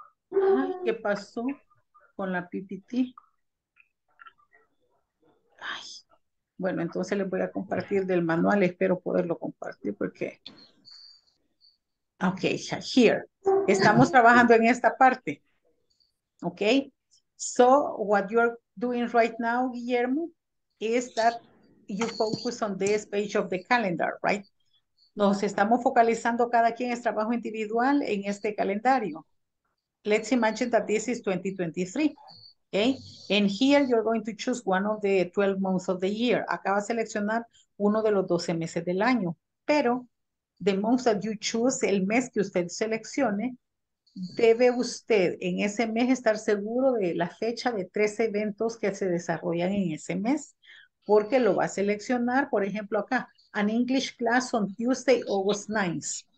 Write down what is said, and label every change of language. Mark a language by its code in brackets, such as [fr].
[es] Ay, ¿qué pasó con la PPT? Ay, bueno, entonces les voy a compartir del manual, espero poderlo compartir porque ok, here estamos trabajando en esta parte. [en] Ok, so what you're doing right now, Guillermo, is that you focus on this page of the calendar, right? [es] Nos estamos focalizando cada quien es trabajo individual en este calendario. [en] Let's imagine that this is 2023. Okay, and here you're going to choose one of the 12 months of the year. [es] Acá va a seleccionar uno de los 12 meses del año. Pero [en] the month that you choose, [es] el mes que usted seleccione, debe usted en ese mes estar seguro de la fecha de tres eventos que se desarrollan en ese mes. Porque lo va a seleccionar, por ejemplo, acá, [en] an English class on Tuesday, August 9th.